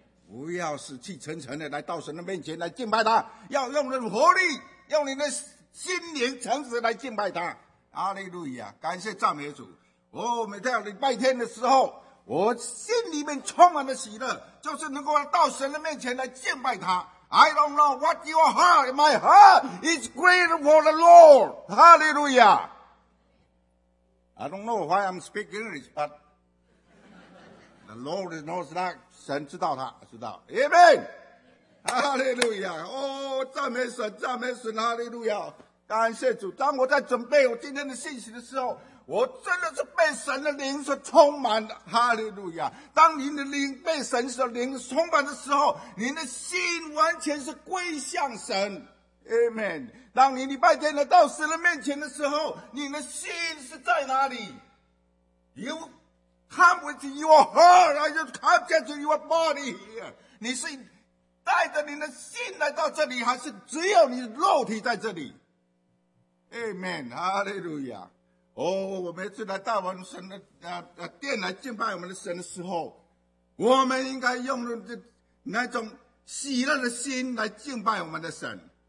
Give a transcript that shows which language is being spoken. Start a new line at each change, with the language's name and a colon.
Chinese: 不要死气沉沉的来到神的面前来敬拜他，要用你的活力，用你的心灵诚实来敬拜他。哈利路亚，感谢赞美主。哦，每天礼拜天的时候，我心里面充满了喜乐，就是能够到神的面前来敬拜他。
English: I don't know what your heart, my heart is greater for the Lord. Hallelujah. I don't know why I'm speaking English, but the Lord knows that.
Chinese: 神知道他知道。Amen. Hallelujah. 哦，赞美神，赞美神。Hallelujah. 感谢主。当我在准备我今天的信息的时候，我真的是被神的灵所充满的，哈利路亚！当您的灵被神所灵充满的时候，您的心完全是归向神 ，Amen。当你礼拜天来到神的面前的时候，你的心是在哪里 ？
English: You come with your heart, and you come to your body here。
Chinese: 你是带着你的心来到这里，还是只有你肉体在这里 ？Amen， 哈利路亚。哦，我每次来到我们神的殿来敬拜我们的神的时候，我们应该用那种喜乐的心来敬拜我们的神。